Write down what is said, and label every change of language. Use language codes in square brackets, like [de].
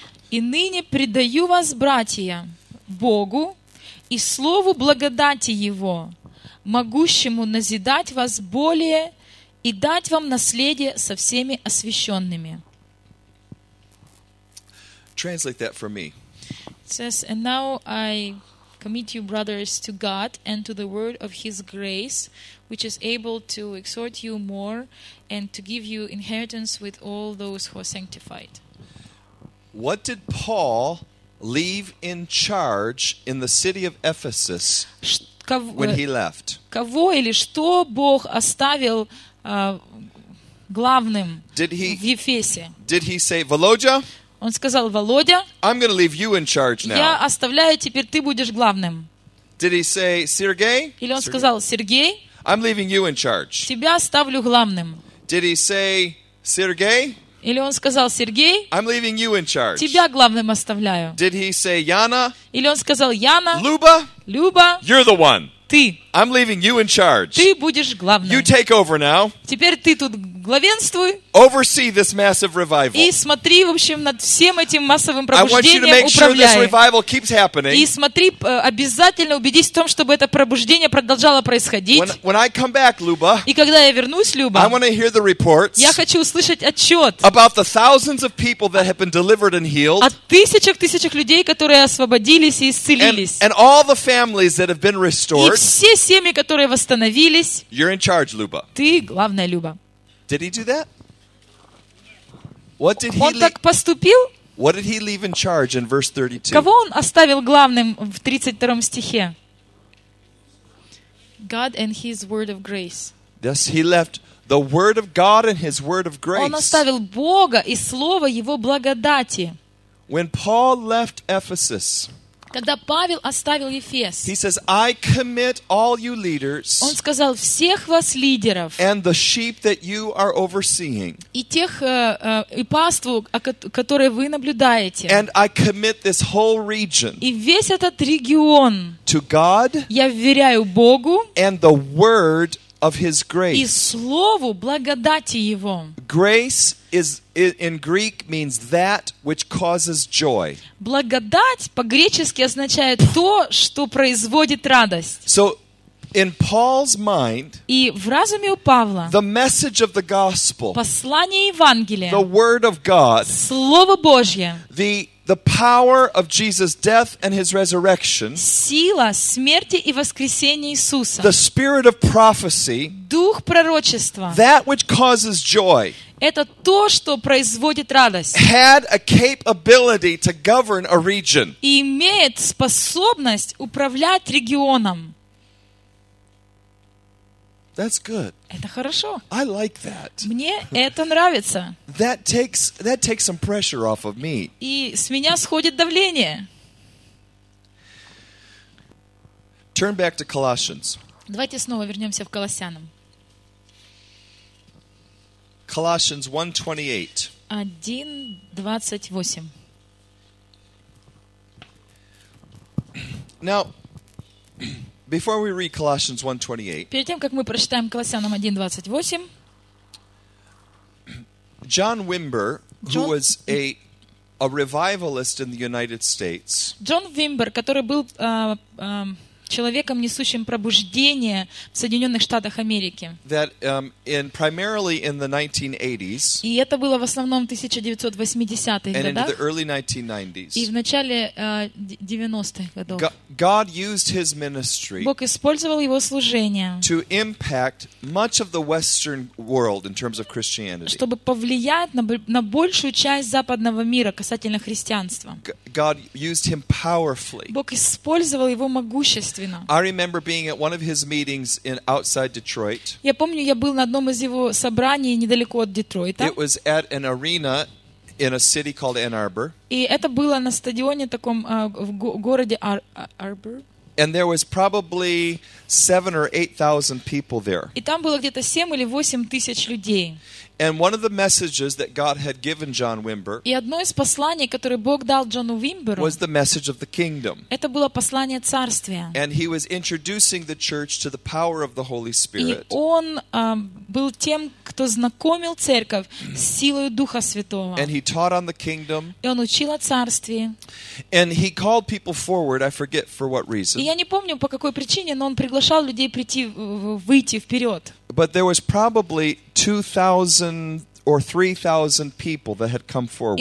[ru] И ныне предаю вас, братия, Богу и слову благодати Его, могущему назидать вас более и дать вам наследие со всеми освященными. [en] Translate that for me. It says, and now I commit you, brothers, to God and to the word of His grace, which is able to exhort you more and to give you inheritance with all those who are sanctified. What did Paul leave in charge in the city of Ephesus when he left? [ru] Кого или что Бог оставил главным в Ефесе? [en] Did he say, Володя? [ru] Он сказал, Володя, [en] I'm going to leave you in charge now. [ru] Я оставляю, теперь ты будешь главным. [en] Did he say, Сергей? [ru] Или он сказал, Сергей, [en] I'm leaving you in charge. [ru] Тебя оставлю главным. [en] Did he say, Сергей? [ru] Или он сказал, Сергей, [en] I'm leaving you in charge. [ru] Тебя главным оставляю. [en] Did he say, Яна? [ru] Или он сказал, Яна, Люба, Люба, [en] you're the one. [ru] Ты. [en] I'm leaving you in charge. [ru] Ты будешь главным. [en] You take over now. [ru] Теперь ты тут главенствуй. [en] Oversee this massive revival. [ru] И смотри, в общем, над всем этим массовым пробуждением, [en] I want you to make [ru] управляй. [en] Sure this revival keeps happening. [ru] И смотри, обязательно убедись в том, чтобы это пробуждение продолжало происходить. [en] When I come back, Люба, [ru] и когда я вернусь, Люба, [en] I want to hear the reports. [ru] Я хочу услышать отчет. [en] About the thousands of people that have been delivered and healed. [ru] О тысячах-тысячах людей, которые освободились и исцелились. [en] And all the families that have been restored. [ru] И все семьи, которые восстановились. [en] You're in charge, Люба. [ru] Ты главная, Люба. [en] Did he do that? What did he [ru] Он так поступил? [en] What did he leave in charge in verse 32? [ru] Кого он оставил главным в 32 стихе? [en] God and his word of grace. Thus he left the word of God and his word of grace. [ru] Он оставил Бога и слово его благодати. [en] When Paul left Ephesus, [ru] когда Павел оставил Ефес, [en] he says, "I commit all you leaders, [ru] он сказал, всех вас лидеров, [en] and the sheep that you are overseeing, [ru] и тех, и паству, которые вы наблюдаете, [en] and I commit this whole region, [ru] и весь этот регион, [en] to God, [ru] я вверяю Богу, [en] and the word of his grace. [ru] И слову благодати его. [en] Grace is in Greek means that which causes joy. [ru] Благодать по-гречески означает то, что производит радость. [en] So in Paul's mind, [ru] и в разуме у Павла, [en] the message of the gospel, [ru] послание Евангелия, [en] the word of God, [ru] слово Божье, [en] the power of Jesus' death and his resurrection, [ru] сила смерти и воскресения Иисуса, [en] the spirit of prophecy, [ru] дух пророчества, [en] that which causes joy, [ru] это то, что производит радость, [en] had a capability to govern a region, [ru] и имеет способность управлять регионом. [en] That's good. [ru] Это хорошо. [en] I like that. [ru] Мне это нравится. [en] That takes some pressure off of me. [ru] И с меня сходит давление. [en] Turn back to Colossians. [ru] Давайте снова вернемся в Колоссянам. [en] Colossians 1:28. [ru] 1:28. [en] Now, before we read Colossians 1:28. [ru] Перед тем как мы прочитаем Колоссянам 1:28. [en] John Wimber, who was a revivalist in the United States. [ru] Джон Вимбер, который был человеком, несущим пробуждение в Соединенных Штатах Америки. [en] That in primarily in the 1980s. [ru] И это было в основном в 1980-х годах. [en] And in the early 1990s. [ru] И в начале 90-х годов. [en] God used his ministry. [ru] Бог использовал его служение. [en] To impact much of the Western world in terms of Christianity. [ru] Чтобы повлиять на большую часть западного мира касательно христианства. [en] God used him powerfully. [ru] Бог использовал его могущественно. [en] I remember being at one of his meetings in outside Detroit. [ru] Я помню, я был на одном из его собраний недалеко от Детройта. [en] It was at an arena in a city called Ann Arbor. [ru] И это было на стадионе таком в городе Арбор. [en] And there was probably 7,000 or 8,000 people there. [ru] И там было где-то 7,000 or 8,000 людей. [en] And one of the messages that God had given John Wimber. [ru] И одно из посланий, которое Бог дал Джону Вимберу. [en] Was the message of the kingdom. [ru] Это было послание царствия. [en] And he was introducing the church to the power of the Holy Spirit. [ru] И он был тем, кто знакомил церковь с силой Духа Святого. [en] And he taught on the kingdom. [ru] И он учил о царствии. [en] And he called people forward. I forget for what reason. [ru] И я не помню по какой причине, но он приглашал людей прийти, выйти вперед. [en] But there was probably 2,000 or 3,000 people that had come forward.